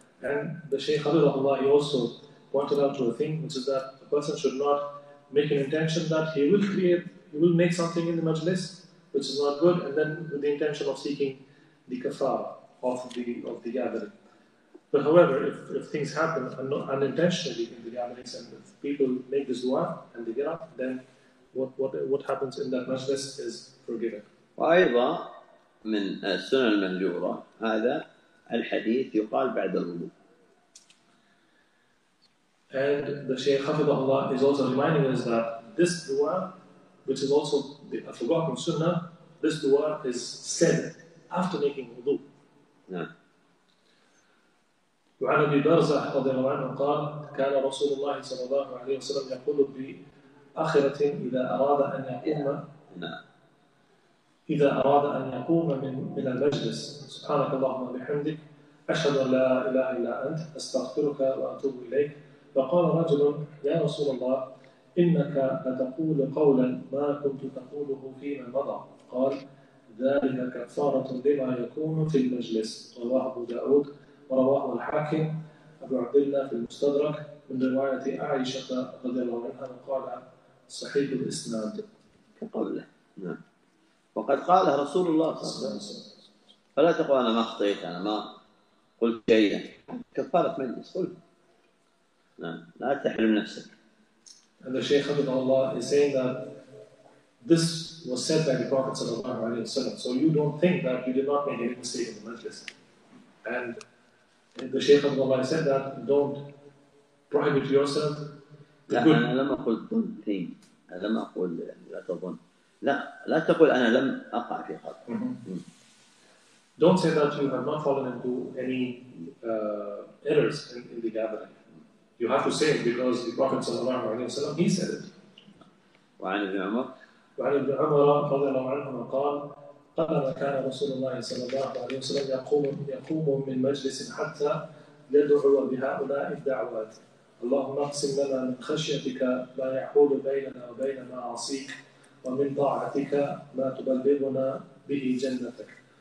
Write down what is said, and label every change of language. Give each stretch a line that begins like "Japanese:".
English: And the Shaykh Abdullah, he also pointed out to a thing, which is that a person should not make an intention that he will make something in the majlis, which is not good, and then with the intention of seeking the kafara of the gathering. But however, if things happen unintentionally in the gatherings and if people make this dua and they get up, then what happens in that majlis is forgiven.
Arabic: وأيضا من السنة المهجورة هذا الحديث يقال بعد الوضوء.
English: And the Shaykh Hafidhullah is also reminding us that this dua, which is also a forgotten sunnah, this dua is said after making wudu.
Arabic: وعن أبي برزة رضي الله عنه قال كان رسول الله صلى الله عليه وسلم يقول بآخرة إذا أراد أن يقوم إذا أراد أن يقوم من المجلس سبحانك اللهم وبحمدك أشهد أن لا إله إلا أنت أستغفرك وأتوب إليك. فقال رجل يا رسول الله إنك لتقول قولا ما كنت تقوله فيما مضى. قال ذلك كفارة لما يكون في المجلس. رواه أبو داود ورواه الحاكم أبو عبد الله في المستدرك من رواية عائشة رضي الله عنها قال صحيح الإسناد كقوله. نعم. وقد قالها رسول الله صلى الله عليه وسلم فلا تقول أنا ما أخطيت أنا ما قلت شيئا كفارة مجلس قلت لا تحرم نفسك.
English: And the Shaykh Hafidhullah is saying that this was said by the Prophet Sallallahu Alaihi Wasallam. So you don't think that you did not make any mistake in the majlis. And the Shaykh Hafidhullah said that don't prohibit yourself.
Arabic: لا أنا لم أقل
English: don't think.
Arabic: أنا لم أقل لا تظن. لا تقل أنا لم أقع في خطأ.
English: Don't say that you have not fallen into any errors in the gathering. You have to say it because the Prophet sallallahu alaihi wasallam he said it. وعن ابن عمر. وعن ابن عمر رضي الله عنهما قال قال ما كان رسول الله صلى الله عليه وسلم يقوم من مجلس حتى يدعو بهؤلاء الدعوات. اللهم اقسم لنا من خشيتك ما يحول بيننا وبين معاصيك ومن طاعتك ما تبلغنا به جنتك.